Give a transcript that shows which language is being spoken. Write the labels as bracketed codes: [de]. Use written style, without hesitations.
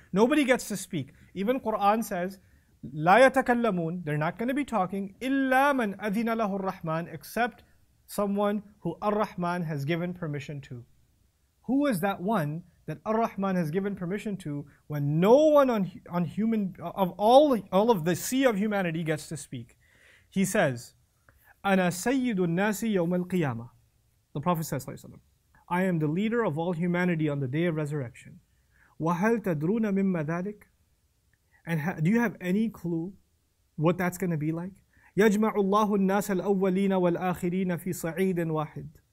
[en] Nobody gets to speak. Even Quran says, [ar] la yatakallamun, [en] they're not going to be talking, [ar] illa man adhina lahu ar-Rahman, [en] except someone who ar-Rahman has given permission to. Who is that one that ar-Rahman has given permission to when no one on human, of all of the sea of humanity gets to speak? He says, [ar] أَنَا سَيِّدُ النَّاسِ يَوْمَ الْقِيَامَةِ. [en] The Prophet says, I am the leader of all humanity on the day of resurrection. [ar] وَهَلْ تَدْرُونَ مِمَّ ذَلِكَ. [en] And do you have any clue what that's going to be like? [ar] يَجْمَعُ اللَّهُ النَّاسَ الْأَوَّلِينَ وَالْآخِرِينَ فِي صَعِيدٍ وَاحِدٍ.